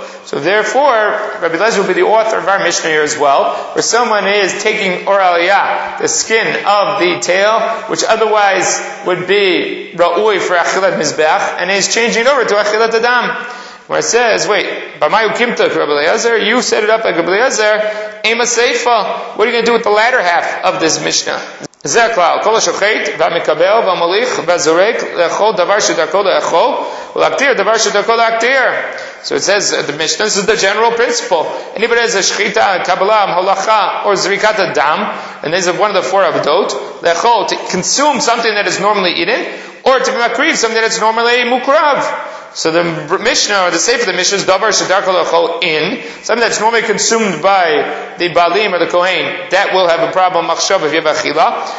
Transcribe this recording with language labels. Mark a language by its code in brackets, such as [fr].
[en] So therefore, Rabbi Lezer will be the author of our Mishnah here as well, where someone is taking oral ya, the skin of the tail, which otherwise would be ra'ui for achilat mizbeach, and is changing it over to achilat adam. Where it says, wait, b'mayu kimtuk, Rabbi Lezer, you set it up like Rabbi Lezer, [he] ema seifa. [en] What are you going to do with the latter half of this Mishnah? [he] זה הכלל, כל השוחט והמקבל והמוליך והזורק לאכול דבר שדרכו לאכול ולהקטיר דבר שדרכו להקטיר. [en] So it says, the Mishnah, this is the general principle. Anybody has a shechita, kabbalah, halacha, or zrikat adam, and these are one of the four avdot, lechol, to consume something that is normally eaten, or to be makriv, something that's normally mukrav. So the Mishnah, or the sefer of the Mishnah, is [he] davar shedarko lechol [en] in, something that's normally consumed by the balim or the kohen, that will have a problem, machshav, if you have achila.